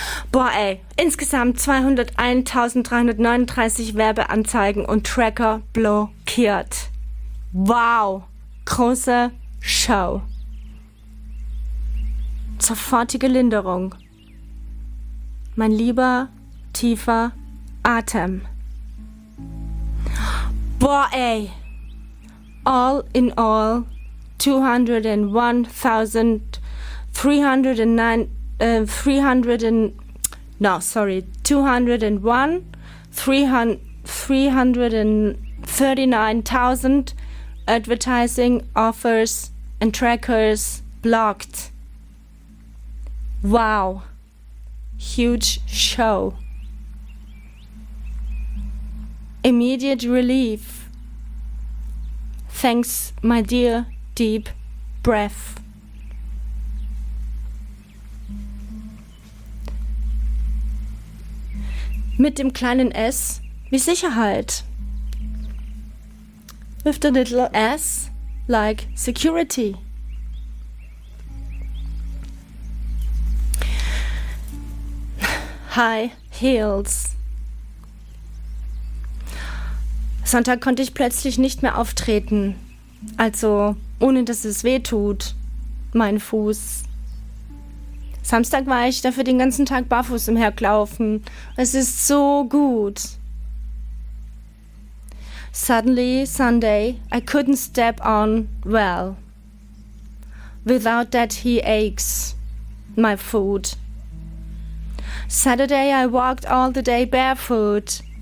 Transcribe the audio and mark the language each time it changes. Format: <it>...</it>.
<de>Boah, ey, insgesamt 201.339 Werbeanzeigen und Tracker blockiert. Wow, große Show. Sofortige Linderung. Mein lieber, tiefer Atem. Boah, ey.</de> <en>All in all, 209,339,000 advertising offers and trackers blocked. Wow. Huge show. Immediate relief. Thanks, my dear, deep breath.</en> <de>Mit dem kleinen S wie Sicherheit.</de> <en>With the little S like security. High heels.</en> <de>Sonntag konnte ich plötzlich nicht mehr auftreten. Also ohne, dass es weh tut, mein Fuß. Samstag war ich dafür den ganzen Tag barfuß umherlaufen. Es ist so gut.</de> <en>Suddenly, Sunday, I couldn't step on well. Without that, he aches, my foot. Saturday, I walked all the day barefoot.</en>